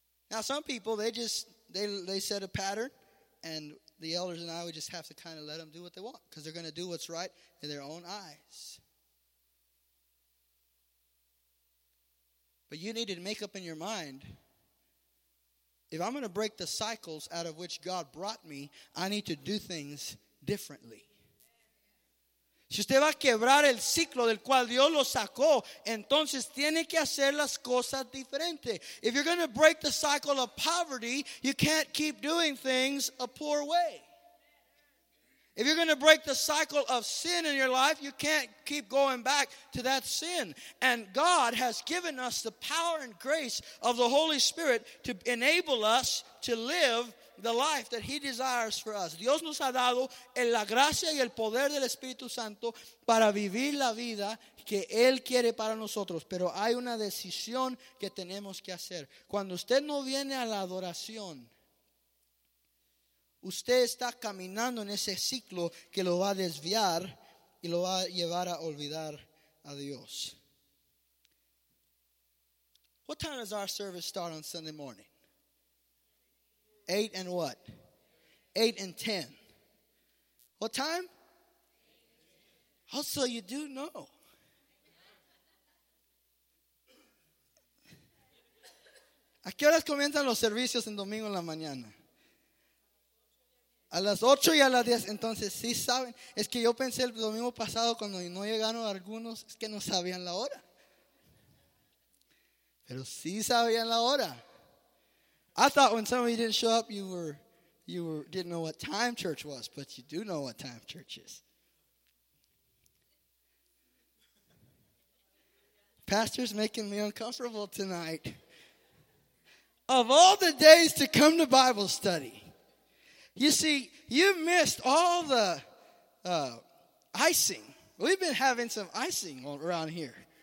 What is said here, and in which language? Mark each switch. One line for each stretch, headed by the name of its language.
English: Now some people, they set a pattern, and the elders and I, we just have to kind of let them do what they want, because they're going to do what's right in their own eyes. But you need to make up in your mind, if I'm going to break the cycles out of which God brought me, I need to do things differently.
Spanish: Si usted va a quebrar el ciclo del cual Dios lo sacó, entonces tiene que hacer las cosas diferentes.
English: If you're going to break the cycle of poverty, you can't keep doing things a poor way. If you're going to break the cycle of sin in your life, you can't keep going back to that sin. And God has given us the power and grace of the Holy Spirit to enable us to live the life that He desires for us.
Spanish: Dios nos ha dado la gracia y el poder del Espíritu Santo para vivir la vida que Él quiere para nosotros. Pero hay una decisión que tenemos que hacer. Cuando usted no viene a la adoración, usted está caminando en ese ciclo que lo va a desviar y lo va a llevar a olvidar a Dios.
English: What time does our service start on Sunday morning? 8 and what? 8 and 10. What time? Also, you do know.
Spanish: ¿A qué horas comienzan los servicios en domingo en la mañana? A las 8 y a las 10, entonces sí saben. Es que yo pensé el domingo pasado cuando no llegaron algunos, es que no sabían la hora. Pero sí sabían la hora.
English: I thought when some of you didn't show up, you didn't know what time church was, but you do know what time church is. Pastor's making me uncomfortable tonight. Of all the days to come to Bible study, you see, you missed all the icing. We've been having some icing around here.